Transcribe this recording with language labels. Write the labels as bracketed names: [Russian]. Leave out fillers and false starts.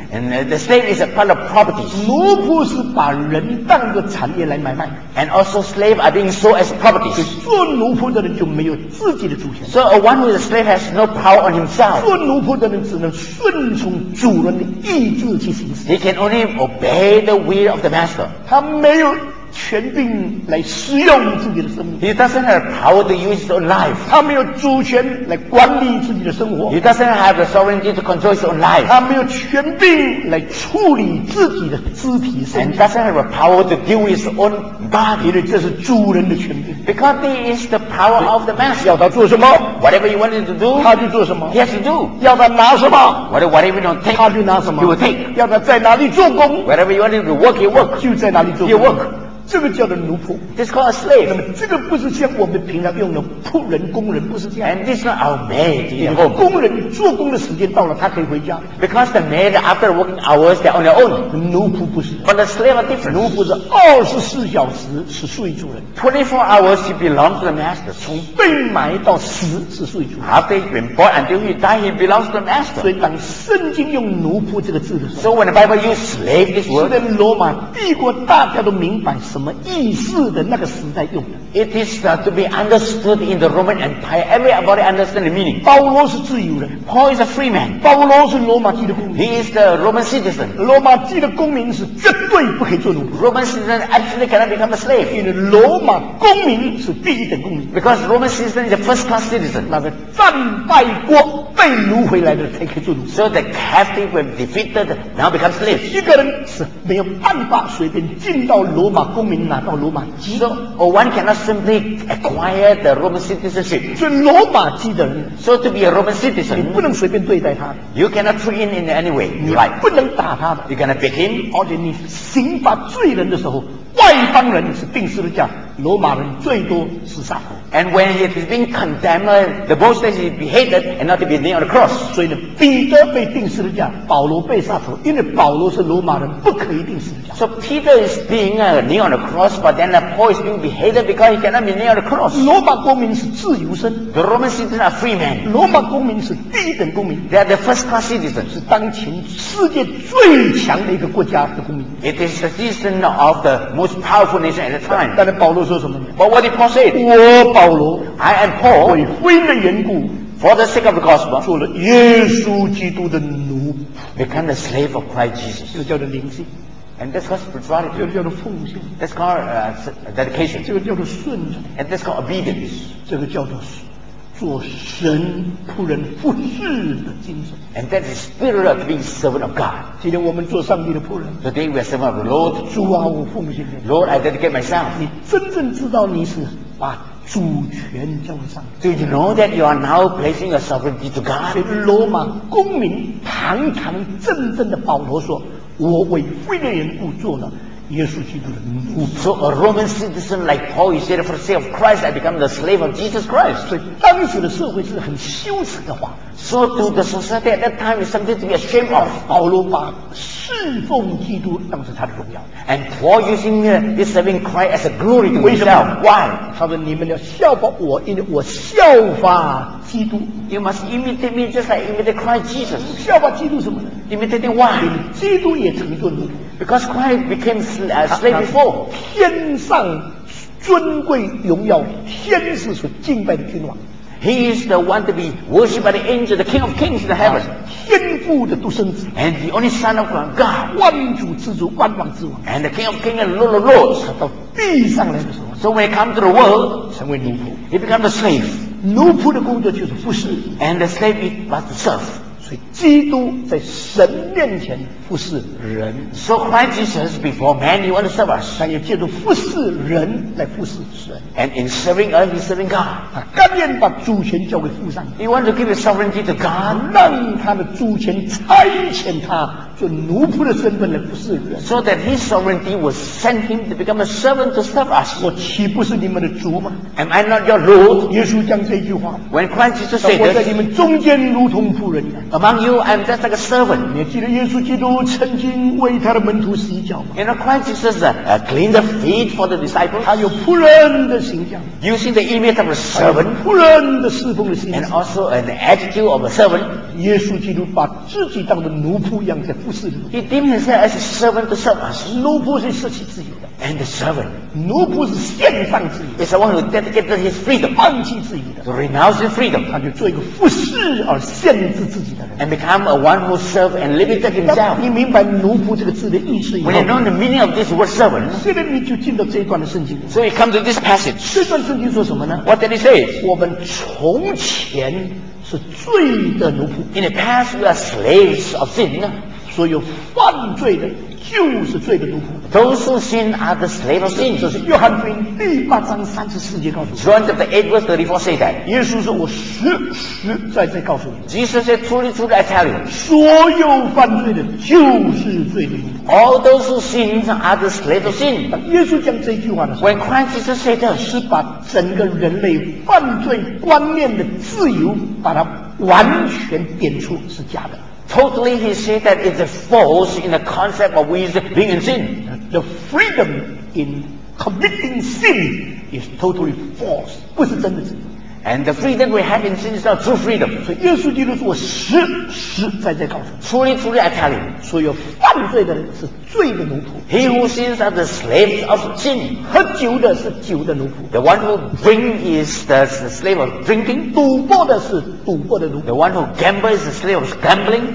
[English] And the slave is a part of property. [Chinese] 奴仆是把人当作产业来买卖 [English] and also slaves are being sold as properties. [Chinese] 做奴仆的人就没有自己的主权 [English] So a one who is a slave has no power on himself. [Chinese] 做奴仆的人只能顺从主人的意志去行事 [English] He can only obey the will of the master. [Chinese] 他没有权柄来使用自己的生命 [English] He doesn't have power to use his own life. [Chinese] 他没有主权来管理自己的生活 [English] He doesn't have the sovereignty to control his own life. [Chinese] 他没有权柄来处理自己的肢体身体 [English] And doesn't have the power to deal with his own body. [Chinese] 因为这是主人的权柄 [English] Because there is the power of the master. [Chinese] 要他做什么 [English] Whatever he wanted to do, [Chinese] 他就做什么 [English] He has to do. [Chinese] 要他拿什么 [English] Whatever he wanted to take, [Chinese] 他就拿什么 [English] He will take. [Chinese] 要他在哪里做工 [English] Whatever he wanted to work, he work. [Chinese] 就在哪里做工 [English] He work. [Chinese] 这个叫做奴仆 [English] This is called a slave [Chinese] 那么这个不是像我们平常用的仆人工人不是这样 [English] And this is not our maid [Chinese] 工人做工的时间到了他可以回家 [English] Because the maid after working hours they're on their own [Chinese] 奴仆不是 [English] But the slave are different [Chinese] 奴仆是24小时是属于主人 [English] 24 hours he belongs to the master [Chinese] 从被埋到死是属于主人 [English] After he's been born until he died he belongs to the master [Chinese] 所以当圣经用奴仆这个字的时候 [English] So when the Bible used slave this word [Chinese] 所以罗马帝国大家都明白什么意思的那个时代用的。 [English] It is to be understood in the Roman Empire. Everybody understand the meaning. [Chinese] 保罗是自由的。 [English] Paul is a free man. [Chinese] 保罗是罗马帝的公民。 [English] He is the Roman citizen. [Chinese] 罗马帝的公民是绝对不可以做奴隶。 [English] Roman citizen absolutely cannot become a slave. [Chinese] 因为罗马公民是第一等公民。 [English] Because Roman citizen is a first class citizen. [Chinese] 那个战败国被掳回来的才可以做奴隶。 [English] So the captive when defeated now becomes slaves. [Chinese] 一个人是没有办法随便进到罗马公民拿到罗马籍。 [English] So one cannot simply acquire the Roman citizenship. [Chinese] 是罗马籍的人。 [English] So to be a Roman citizen, [Chinese] 你不能随便对待他。 [English] You cannot treat him in any way. [Chinese] 你、right. 不能打他。 [English] You cannot beat him. [Chinese] 而且你刑罚罪人的时候，外邦人是定十字架，罗马人最多是杀。 [English] And when he is being condemned, the most that he beheaded and not to be nailed on the cross. [Chinese] 所以呢，彼得被钉十字架，保罗被杀头，因为保罗是罗马人，不可以钉十字架。 [English] So Peter is being nailed on the cross, but then Paul is being beheaded because he cannot be nailed on the cross. [Chinese] 罗马公民是自由身。 [English] The Roman citizen are free men. [Chinese] 罗马公民是第一等公民。 [English] They are the first class citizens. [Chinese] 是当前世界最强的一个国家的公民。 [English] It is the citizen of the most powerful nation at the time. [Chinese] 但是保罗说什么呢？ [English] But what did Paul say? [Chinese] 我保保罗 [English] I am Paul, [Chinese] 为福音的缘故 [English] for the sake of the gospel, [Chinese] 做了耶稣基督的奴 [English] became the slave of Christ Jesus, [Chinese] 这个叫做灵性 [English] and that's called spirituality, [Chinese] 这个叫做奉献 [English] that's called dedication, [Chinese] 这个叫做顺从 [English] and that's called obedience, [Chinese] 这个叫做做神仆人服事的精神 [English] and that's the spirit of being servant of God, [Chinese] 今天我们做上帝的仆人 [English] today we are servant of the Lord, [Chinese] 主啊我奉献 [English] Lord I dedicate myself, [Chinese] 你真正知道你是把主权交给上帝。 [English] Do you know that you are now placing your sovereignty to God? [Chinese] 所以罗马公民堂堂正正的保罗说：“我为福音的缘故做了耶稣基督的奴。” [English] So a Roman citizen like Paul, he said, "For the sake of Christ, I become the slave of Jesus Christ." [Chinese] 所以当时的社会是很羞耻的话。 [English] So to the society at that time is something to be ashamed of. [Chinese] 保罗把侍奉基督当成他的荣耀。 [English] And Paul using this serving Christ as a glory to himself. Why? [Chinese] 他说你们要效法我，因为我效法基督。 [English] You must imitate me just like imitate Christ Jesus. [Chinese] 效法基督什么呢？ [English] Imitate why? [Chinese] 因为基督也成为奴隶。 [English] Because Christ became a slave before. [Chinese] 天上尊贵荣耀，天使所敬拜的君王。 [English] He is the one to be worshipped by the angel, the King of Kings in the heavens. [Chinese] 天父的独生子。 [English] And the only Son of God. [Chinese] 万主之主，万王之王。 [English] And the King of Kings and Lord of Lords. [Chinese] 他到地上来的时候。 [English] So when he comes to the world, [Chinese] 成为奴仆。 [English] He becomes a slave. [Chinese] 奴仆的工作就是服侍。 [English] And the slave is but to serve. [Chinese] 所以基督在神面前服侍人。 [English] So Christ Jesus before man, he wants to serve us. [Chinese] 他也借着服侍人来服侍神。 [English] And in serving us, he's serving God. [Chinese] 他甘愿把主权交给父上。 [English] He wants to give his sovereignty to God. [Chinese] 让他的主权差遣他做奴仆的身份来服侍人。 [English] So that his sovereignty will send him to become a servant to serve us. [Chinese] 我岂不是你们的主吗？ [English] Am I not your Lord? [Chinese] 耶稣讲这句话。 [English] When Christ Jesus said [Chinese] this, 我在你们中间如同仆人一样。 [English] Among you, I'm just like a servant. [Chinese] 你记得耶稣基督曾经为他的门徒洗脚吗？ [English] You know, Christ Jesus cleaned the feet for the disciples. [Chinese] 他有仆人的形象。 [English] Using the image of a servant. [Chinese] 仆人的侍奉的形象。 [English] And also an attitude of a servant. [Chinese] 耶稣基督把自己当作奴仆一样在服侍。 [English] He deemed himself as a servant to serve us. [Chinese] 奴仆是失去自由的。 [English] And the servant. [Chinese] 奴仆是献上自由。 [English] It's the one who dedicated his freedom. [Chinese] 放弃自由的。 [English] To renounce his freedom. [Chinese] 他就做一个服侍而限制自己的。 [English] And become a one who serves and limited himself. [Chinese] 你明白奴仆这个字的意思以后， [English] When you know the meaning of this word servant, [Chinese] 现在你就进到这一段的圣经。 [English] So you come to this passage. [Chinese] 这段圣经说什么呢？ [English] What did he say? [Chinese] 我们从前是罪的奴仆。 [English] In the past, we are slaves of sin. [Chinese] 所有犯罪的就是罪的奴仆。 [English] Those who sin are the slave of sin. [Chinese] 这是约翰福音第八章三十四节告诉我。 [English] John chapter 8 verse 34 say that. [Chinese] 耶稣说我实在告诉你。 [English] Jesus said, truly, truly, I tell you. [Chinese] 所有犯罪的就是罪的奴仆。 [English] All those who sin are the slave of sin. [Chinese] 耶稣讲这句话的时候。 [English] When Christ Jesus said that, [Chinese] 是把整个人类犯罪观念的自由把它完全点出是假的。 [English] Totally, he said that it's a false in the concept of we being in sin. The freedom in committing sin is totally false. [Chinese] 不是真的自由。 [English] And the freedom we have in sin is not true freedom. [Chinese] 所以耶稣基督说，我实实在在告诉你。 [English] Truly, truly, I tell you. [Chinese] 所有犯罪的人是罪的奴仆。 [English] He who sins are the slaves of sin. [Chinese] 喝酒的是酒的奴仆。 [English] The one who drink is the slave of drinking. [Chinese] 赌博的是赌博的奴仆。 [English] The one who gamble is the slave of gambling.